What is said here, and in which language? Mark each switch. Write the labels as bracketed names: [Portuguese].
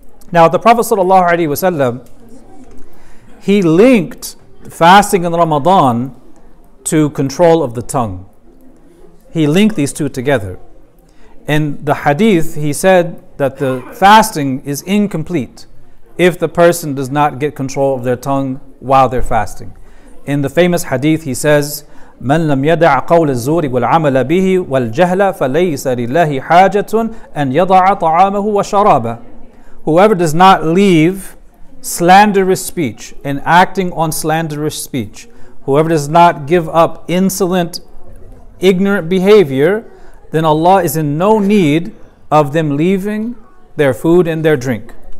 [English] Now, the Prophet sallallahu alaihi wasallam, he linked fasting in Ramadan to control of the tongue. He linked these two together. In the hadith, he said that the fasting is incomplete if the person does not get control of their tongue while they're fasting. In the famous hadith, he says, [Arabic] "من لم يدع قول الزور والعمل به والجهل فليس لله حاجة أن يضع طعامه وشرابه." [English] Whoever does not leave slanderous speech and acting on slanderous speech, whoever does not give up insolent, ignorant behavior, then Allah is in no need of them leaving their food and their drink.